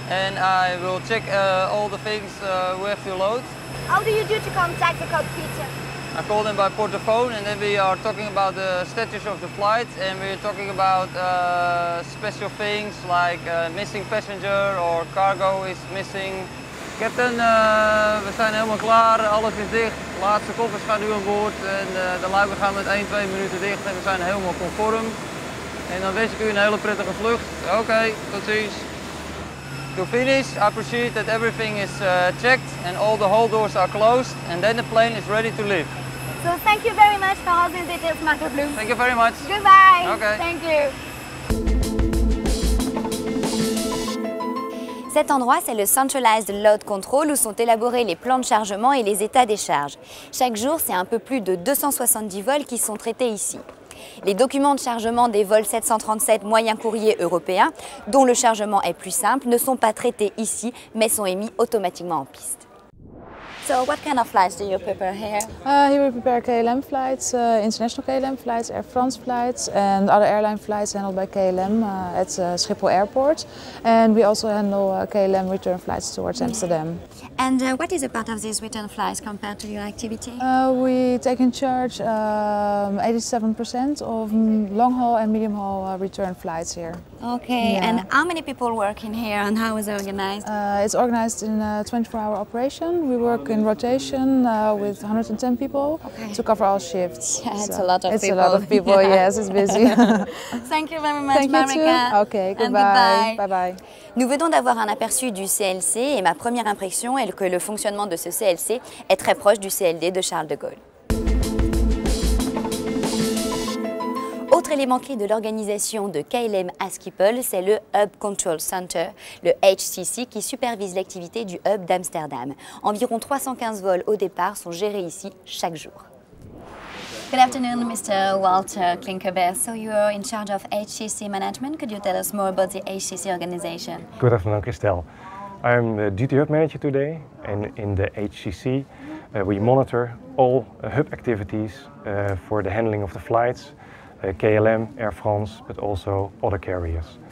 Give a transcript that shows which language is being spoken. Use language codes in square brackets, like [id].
[en] And I will check all the things we have to load. How do you do to contact the cockpit? I call them by portaphone, and then we are talking about the status of the flight, and we're talking about special things like missing passenger or cargo is missing. [nl] Captain, we zijn helemaal klaar, alles is dicht. Laatste koffers gaan nu aan boord en de luiken gaan met 1-2 minuten dicht en we zijn helemaal conform. En dan wens ik u een hele prettige vlucht. Okay, tot ziens. [en] To finish, I appreciate that everything is checked and all the hall doors are closed, and then the plane is ready to leave. So thank you very much for all the details, Marco Bloom. Thank you very much. Goodbye. Okay. Thank you. [fr] Cet endroit, c'est le Centralized Load Control où sont élaborés les plans de chargement et les états des charges. Chaque jour, c'est un peu plus de 270 vols qui sont traités ici. Les documents de chargement des vols 737 moyens courriers européens, dont le chargement est plus simple, ne sont pas traités ici, mais sont émis automatiquement en piste. [en] So, what kind of flights do you prepare here? Here we prepare KLM flights, international KLM flights, Air France flights, and other airline flights handled by KLM at Schiphol Airport. And we also handle KLM return flights towards Amsterdam. And what is a part of these return flights compared to your activity? We take in charge 87% of long haul and medium haul return flights here. Okay, yeah. And how many people work in here and how is it organized? It's organized in a 24-hour operation. We work in rotation with 110 people to cover all shifts. Yeah, it's so a lot of it's people. It's a lot of people, yes, it's busy. Thank you very much, Marika. Thank you too. Okay, goodbye. Bye-bye. [fr] Nous venons d'avoir un aperçu du CLC et ma première impression est que le fonctionnement de ce CLC est très proche du CLD de Charles de Gaulle. Autre élément clé de l'organisation de KLM à Schiphol, c'est le Hub Control Center, le HCC, qui supervise l'activité du hub d'Amsterdam. Environ 315 vols au départ sont gérés ici chaque jour. [en] Good afternoon, Mr. Walter Klinkerberg. So you are in charge of HCC management. Could you tell us more about the HCC organization? Good afternoon, Christelle. I am the duty hub manager today, and in the HCC, we monitor all hub activities for the handling of the flights, KLM, Air France, but also other carriers.